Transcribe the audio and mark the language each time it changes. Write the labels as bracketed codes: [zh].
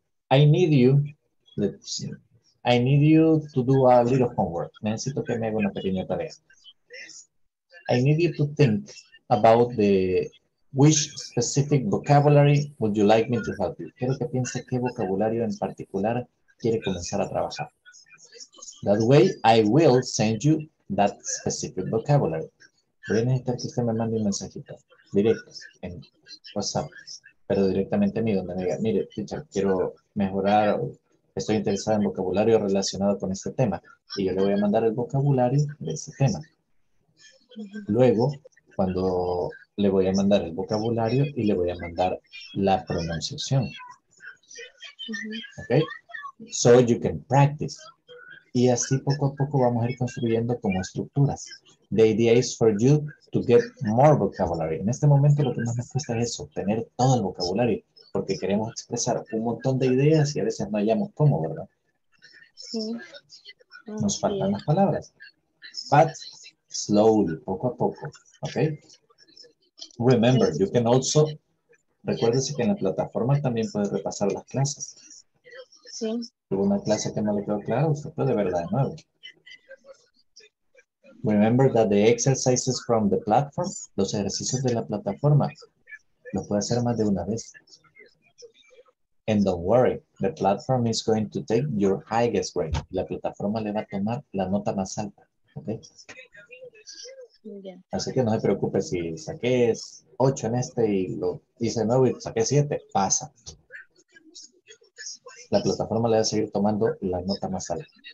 [en] I need you to do a little homework. [es] Necesito que me haga una pequeña tarea. [en] I need you to think about the which specific vocabulary would you like me to help you. [es] Quiero que piense qué vocabulario en particular quiere comenzar a trabajar. [en] That way, I will send you that specific vocabulary. [es] Voy a necesitar que usted me mande un mensajito directo en WhatsApp, pero directamente a mí, donde me diga, mire, teacher, quiero mejorar, estoy interesado en vocabulario relacionado con este tema, y yo le voy a mandar el vocabulario de ese tema. Luego, cuando le voy a mandar el vocabulario y le voy a mandar la pronunciación. Okay? [en] So you can practice. [es] Y así poco a poco vamos a ir construyendo como estructuras. [en] The idea is for you to get more vocabulary. [es] En este momento lo que más nos cuesta es eso, tener todo el vocabulario, porque queremos expresar un montón de ideas y a veces no hallamos cómo, ¿verdad? Sí. Nos faltan las palabras. [en] But slowly, [es] poco a poco, ¿ok? [en] Remember, you can also, [es] recuérdese que en la plataforma también puedes repasar las clases. Sí. Una clase que no le quedó clara, usted puede verla de nuevo. [en] Remember that the exercises from the platform, [es] los ejercicios de la plataforma, los puede hacer más de una vez. [en] And don't worry, the platform is going to take your highest grade. [es] La plataforma le va a tomar la nota más alta. [en] Okay? Yeah. [es] Así que no se preocupe si saqué 8 en este y lo hice 9 y saqué 7. Pasa. La plataforma le va a seguir tomando la nota más alta.